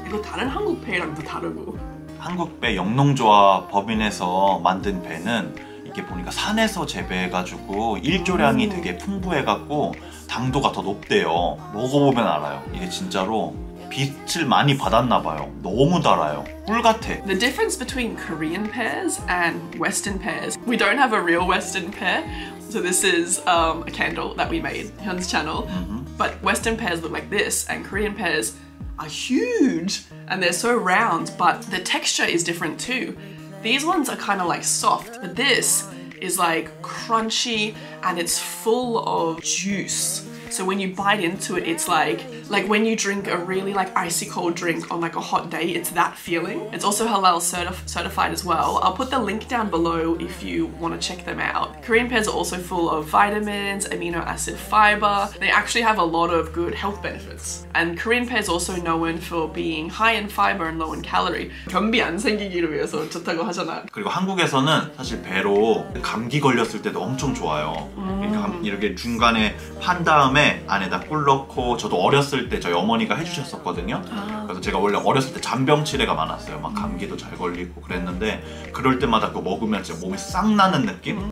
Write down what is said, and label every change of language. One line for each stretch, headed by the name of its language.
Korean: 이거 다른 한국 배랑도 다르고. 한국 배 영농조합 법인에서 만든 배는 이게 보니까 산에서 재배해가지고 일조량이 되게 풍부해갖고 당도가 더 높대요. 먹어보면 알아요. 이게 진짜로 빛을 많이 받았나 봐요. 너무 달아요. 꿀 같아.
English: The difference between Korean pears and Western pears. We don't have a real Western pear. So this is a candle that we made Hyun's channel. But Western pears look like this and Korean pears are huge and they're so round, but the texture is different too. These ones are kind of like soft, but this is like crunchy and it's full of juice. So when you bite into it, it's like when you drink a really like icy cold drink on like a hot day, it's that feeling. It's also halal certified as well. I'll put the link down below if you want to check them out. Korean pears are also full of vitamins, amino acid fiber. They actually have a lot of good health benefits. And Korean pears also known for being high in fiber and low in calorie.
Korean: 변비 안 생기기를 위해서 좋다고 하잖아. 그리고 한국에서는 사실 배로 감기 걸렸을 때도 엄청 좋아요. 이렇게 중간에 판 다음 안에다 꿀 넣고 저도 어렸을 때 저희 어머니가 해주셨었거든요. 그래서 제가 원래 어렸을 때 잔병치레가 많았어요. 막 감기도 잘 걸리고 그랬는데 그럴 때마다 그거 먹으면 진짜 몸이 싹 나는 느낌?